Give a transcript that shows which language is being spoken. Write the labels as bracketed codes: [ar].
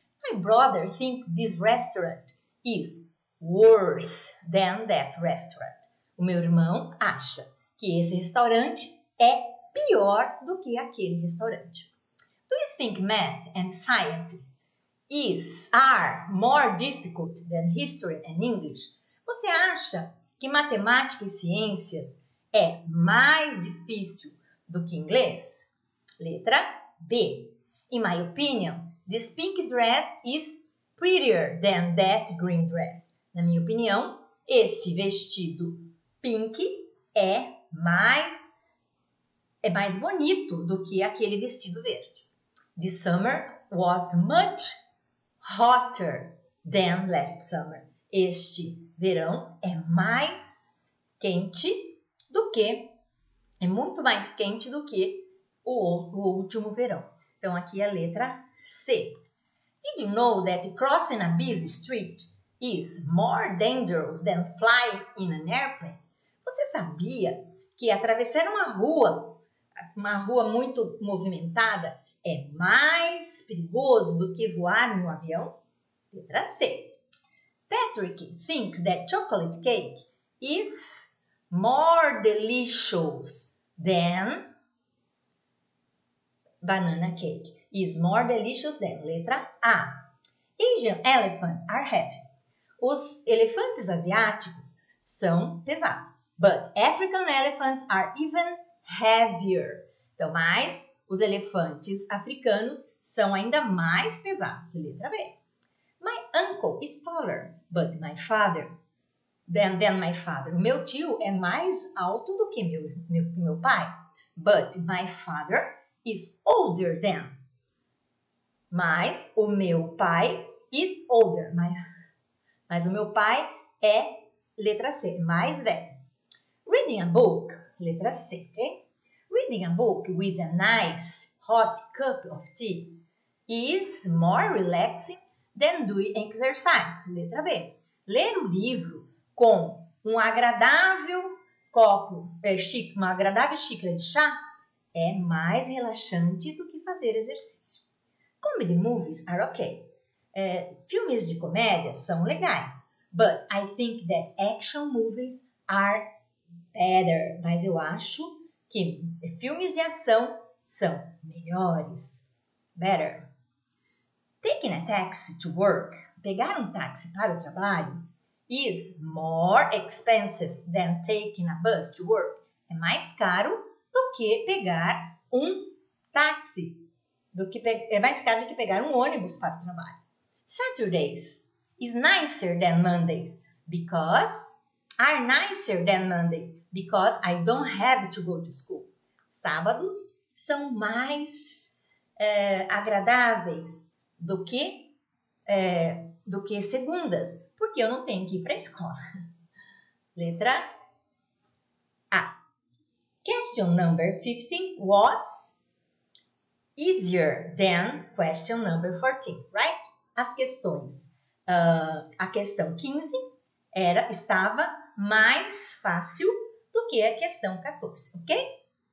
[en] My brother thinks this restaurant is worse than that restaurant. [pt] O meu irmão acha que esse restaurante é pior do que aquele restaurante. [en] Do you think math and science are more difficult than history and English? [pt] Você acha que matemática e ciências é mais difícil do que inglês? Letra B. [en] In my opinion, this pink dress is prettier than that green dress. [pt] Na minha opinião, esse vestido pink é mais bonito do que aquele vestido verde. [en] This summer was much hotter than last summer. [pt] Este verão é mais quente do que, é muito mais quente do que o último verão. Então, aqui a letra C. [en] Did you know that crossing a busy street is more dangerous than flying in an airplane? [pt] Você sabia que atravessar uma rua muito movimentada é mais perigoso do que voar no avião? Letra C. [en] Patrick thinks that chocolate cake is more delicious than banana cake. Is more delicious than. [pt] Letra A. [en] Asian elephants are heavy. [pt] Os elefantes asiáticos são pesados. [en] But African elephants are even heavier. [pt] Então, mas os elefantes africanos são ainda mais pesados. Letra B. [en] My uncle is taller, but my father than my father. [pt] O meu tio é mais alto do que meu pai. [en] But my father is older than. [pt] Mas o meu pai [en] is older. [pt] Mas o meu pai é letra C, mais velho. [en] Reading a book, [pt] letra C, [en] ok? Reading a book with a nice hot cup of tea is more relaxing than doing exercise. [pt] Letra B. Ler um livro com um agradável copo, uma agradável xícara de chá, é mais relaxante do que fazer exercício. [en] Comedy movies are okay. [pt] Filmes de comédia são legais. [en] But I think that action movies are better. [pt] Mas eu acho que filmes de ação são melhores. [en] Better. Taking a taxi to work, [pt] pegar um táxi para o trabalho, [en] is more expensive than taking a bus to work. [pt] É mais caro do que pegar um táxi. É mais caro do que pegar um ônibus para o trabalho. [en] Saturdays is nicer than Mondays because are nicer than Mondays because I don't have to go to school. [pt] Sábados são mais agradáveis do que segundas, porque eu não tenho que ir para a escola. Letra A. [en] Question number 15 was easier than question number 14, right? [pt] As questões. A questão 15 estava mais fácil do que a questão 14, ok?